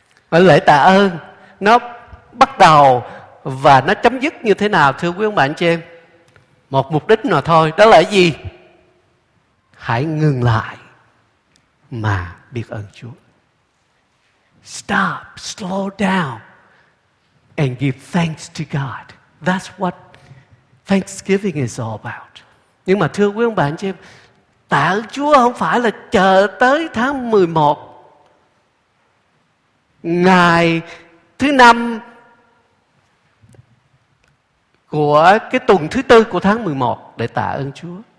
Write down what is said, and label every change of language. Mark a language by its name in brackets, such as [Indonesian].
[Vietnamese] Và lễ tạ ơn nó bắt đầu và nó chấm dứt như thế nào, thưa quý ông bạn chị em? Một mục đích nào thôi, đó là gì? Hãy ngừng lại mà biết ơn Chúa. [English] Stop, slow down and give thanks to God. That's what Thanksgiving is all about. [Vietnamese] Nhưng mà thưa quý ông bà anh chị em, tạ ơn Chúa không phải là chờ tới tháng 11 ngày thứ năm của cái tuần thứ tư của tháng 11 để tạ ơn Chúa.